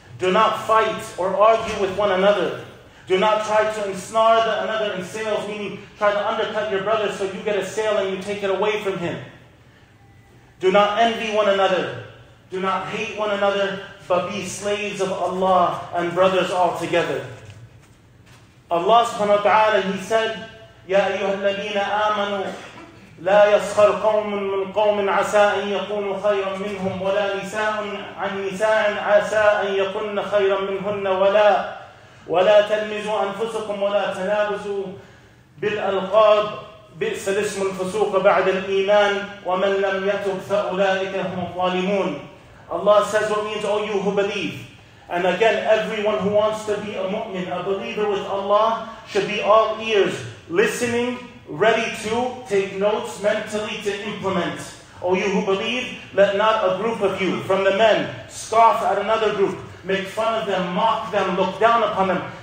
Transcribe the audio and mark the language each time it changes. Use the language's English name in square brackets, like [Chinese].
[English] Do not fight or argue with one another. Do not try to ensnare another in sales, meaning try to undercut your brother so you get a sale and you take it away from him. Do not envy one another. Do not hate one another, but be slaves of Allah and brothers altogether. Allah subhanahu wa ta'ala, He said, [Arabic] يَا أَيُّهَا الَّذِينَ آمَنُوا لَا يَسْخَرْ قَوْمٌ مِّنْ قَوْمٍ عَسَىٰ أَنْ يَكُونُوا خَيْرًا مِّنْهُمْ وَلَا نِسَاءٌ عَنْ نِسَاءٍ عَسَىٰ أَنْ يَكُنَّ خَيْرًا مِّنْهُنَّ وَلَا تَلْمِزُوا أَنفُسَكُمْ وَلَا تَنَابَزُوا بِالْأَلْقَابِ بئس الاسم الفسوق بعد الإيمان ومن لم يتب فأولئك هم الظالمون. [English] Allah says, what means, all you who believe. And again, everyone who wants to be a mu'min, a believer with Allah, should be all ears, listening, ready to take notes mentally to implement. All you who believe, let not a group of you from the men scoff at another group, make fun of them, mock them, look down upon them.